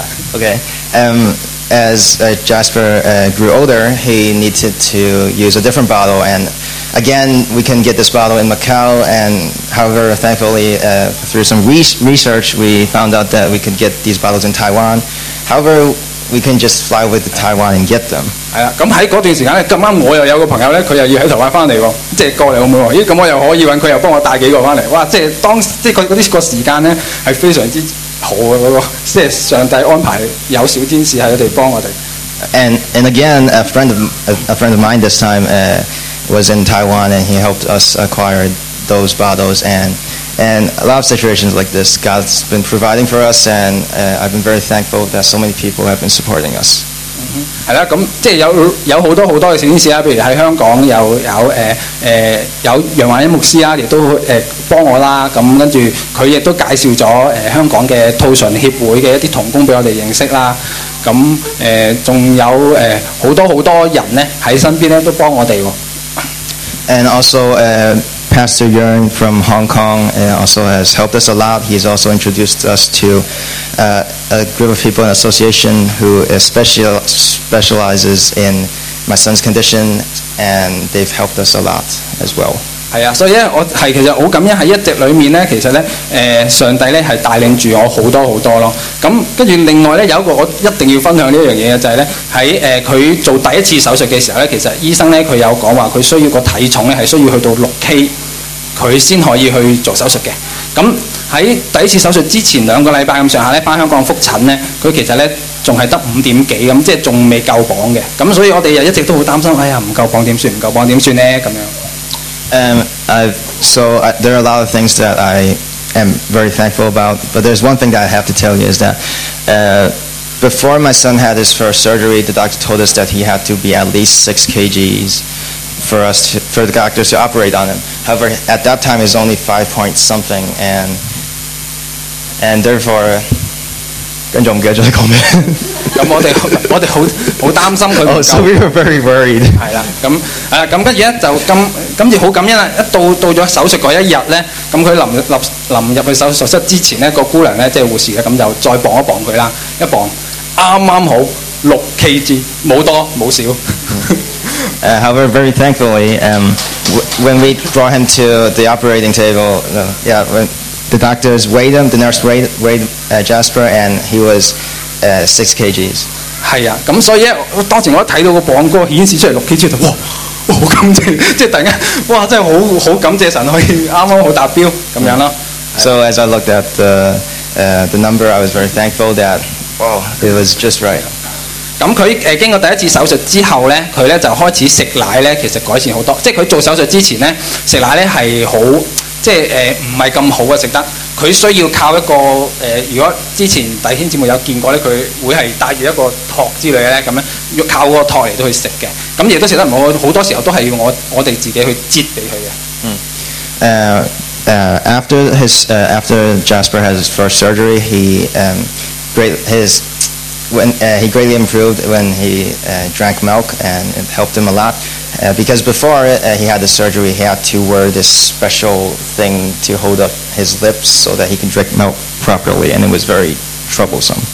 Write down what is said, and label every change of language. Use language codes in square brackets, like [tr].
[en] As Jasper grew older, he needed to use a different bottle. And again, we can get this bottle in Macau. And however, thankfully, through some research, we found out that we could get these bottles in Taiwan. However, we can just fly over to Taiwan and get them. [yue] 係啦，咁喺嗰段時間咧，咁啱我又有個朋友咧，佢又要喺台灣翻嚟喎，即係過嚟澳門喎。咦，咁我又可以揾佢，又幫我帶幾個翻嚟。哇，即係當即係嗰啲個時間咧，係非常之。 [en] And again, a friend of mine this time was in Taiwan, and he helped us acquire those bottles. And a lot of situations like this, God's been providing for us, and I've been very thankful that so many people have been supporting us. [yue] 係啦，咁即係有好多好多嘅小天使啊，譬如喺香港有楊華欣牧師啊，亦都幫我啦。咁跟住佢亦都介紹咗香港嘅吐唇協會嘅一啲同工俾我哋認識啦。咁仲有好多好多人咧喺身邊咧都幫我哋喎。 [en] And also, Pastor Yuen from Hong Kong also has helped us a lot. He's also introduced us to a group of people in association who specializes in my son's condition, and they've helped us a lot as well. [yue] 係啊，所以咧，我係其實好感恩喺一直裏面咧，其實咧，上帝咧係帶領住我好多好多咯。咁跟住另外咧，有一個我一定要分享呢樣嘢嘅就係咧，喺佢做第一次手術嘅時候咧，其實醫生咧佢有講話佢需要個體重咧係需要去到6kg， 佢先可以去做手術嘅。咁喺第一次手術之前兩個禮拜咁上下咧，翻香港復診咧，佢其實咧仲係得5.幾咁，即係仲未夠磅嘅。咁所以我哋又一直都好擔心，哎呀唔夠磅點算？唔夠磅點算咧？咁樣。 [en] There are a lot of things that I am very thankful about, but there's one thing that I have to tell you is that before my son had his first surgery, the doctor told us that he had to be at least 6 kgs for the doctors to operate on him. However, at that time, he's only 5 point something, and therefore. [yue] 跟住我唔記得咗你講咩。咁我哋好擔心佢唔夠。 [en] Oh, so we were very worried. [yue] 係啦，咁跟住咧就今次好感恩啦。一到咗手術嗰一日咧，咁佢臨入去手術室之前咧，個姑娘咧即係護士嘅，咁就再磅一磅佢啦，一磅啱啱好6kg，冇多冇少。 [en] However, very thankfully, when we brought him to the operating table, The doctors weighed him, the nurse weighed Jasper, and he was 6 kgs. [yue] 係啊，咁所以我當時我睇到個磅哥顯示出嚟6kg，哇，好感謝，即係突然間，哇，真係好感謝神可以啱啱好達標咁樣咯。 [en] So as I looked at the number, I was very thankful that it was just right. [yue] 咁佢經過第一次手術之後咧，佢咧就開始食奶咧，其實改善好多。即係佢做手術之前咧，食奶咧係好，即係唔係咁好啊食得。佢需要靠一個如果之前弟兄姊妹有見過咧，佢會係帶住一個托之類咧，咁樣要靠個托嚟到去食嘅。咁亦都食得唔好，好多時候都係要我哋自己去擠俾佢嘅。嗯。 [en] After Jasper has his first surgery, he greatly improved when he drank milk, and it helped him a lot. Because before he had the surgery, he had to wear this special thing to hold up his lips so that he could drink milk properly, and it was very troublesome.